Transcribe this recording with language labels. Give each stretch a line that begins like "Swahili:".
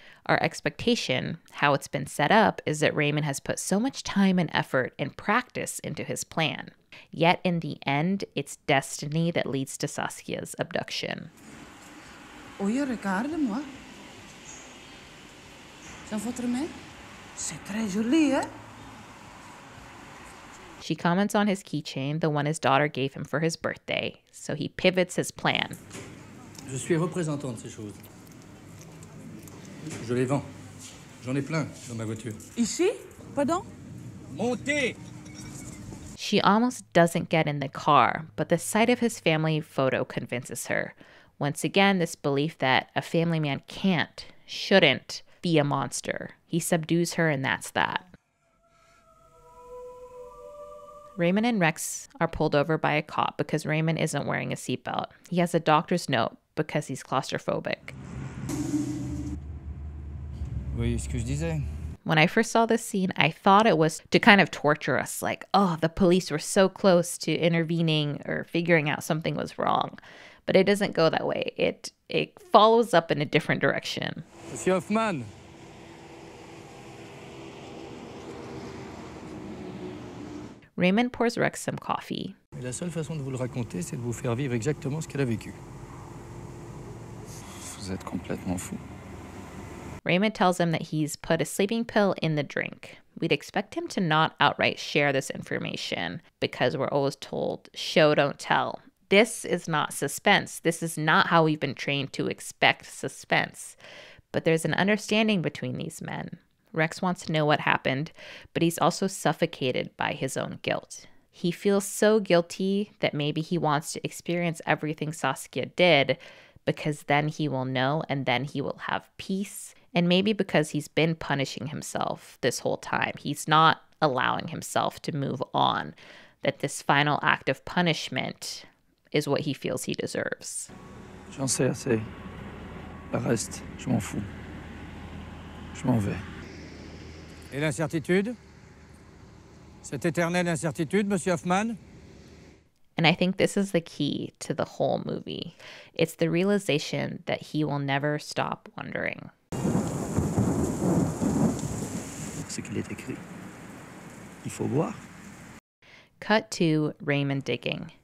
English: Our expectation, how it's been set up, is that Raymond has put so much time and effort and practice into his plan. Yet in the end, it's destiny that leads to Saskia's abduction.
French: Oye, regarde-moi. Dans votre main, c'est très joli, hein?
English: She comments on his keychain, the one his daughter gave him for his birthday. So he pivots his plan. Je suis représentant de ces choses. Je les vends. J'en ai plein dans ma voiture. Ici? Pardon? Montez! She almost doesn't get in the car, but the sight of his family photo convinces her. Once again, this belief that a family man can't, shouldn't, be a monster. He subdues her and that's that. Raymond and Rex are pulled over by a cop because Raymond isn't wearing a seatbelt. He has a doctor's note because he's claustrophobic. Oui, excuse me. When I first saw this scene, I thought it was to kind of torture us, like, oh, the police were so close to intervening or figuring out something was wrong. But it doesn't go that way. It follows up in a different direction.
French: Monsieur Hoffman.
English: Raymond pours Rex some coffee.
French: Mais la seule façon de vous le raconter, c'est de vous faire vivre exactement ce qu'elle a vécu. Vous êtes complètement fou.
English: Raymond tells him that he's put a sleeping pill in the drink. We'd expect him to not outright share this information because we're always told, show, don't tell. This is not suspense. This is not how we've been trained to expect suspense. But there's an understanding between these men. Rex wants to know what happened, but he's also suffocated by his own guilt. He feels so guilty that maybe he wants to experience everything Saskia did, because then he will know and then he will have peace. And maybe because he's been punishing himself this whole time, he's not allowing himself to move on, that this final act of punishment is what he feels he deserves.
French: J'en sais assez. Le reste, je m'en fous. Je m'en vais. Et l'incertitude? Cette éternelle incertitude, Monsieur Hoffman?
English: And I think this is the key to the whole movie. It's the realization that he will never stop wondering.
French: Ce qu'il est écrit. Il faut voir.
English: Cut to Raymond digging.